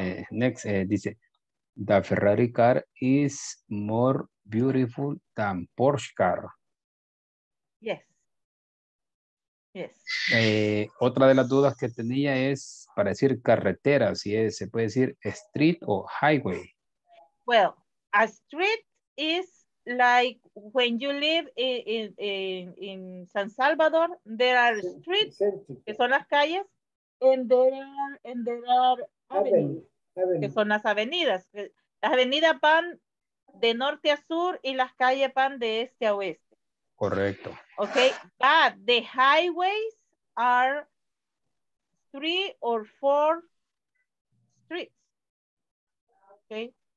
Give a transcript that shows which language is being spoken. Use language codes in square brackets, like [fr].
[en] Next dice: The Ferrari car is more beautiful than Porsche car. Yes. Yes. [es] Otra de las dudas que tenía es para decir carretera: si es, se puede decir street o highway. [en] Well, a street is. Like when you live in San Salvador, there are streets, [es] que son las calles, [en] and there are avenues, [es] que son las avenidas. Las avenidas van de norte a sur y las calles van de este a oeste. Correcto. [en] Okay, but the highways are three or four streets. Okay,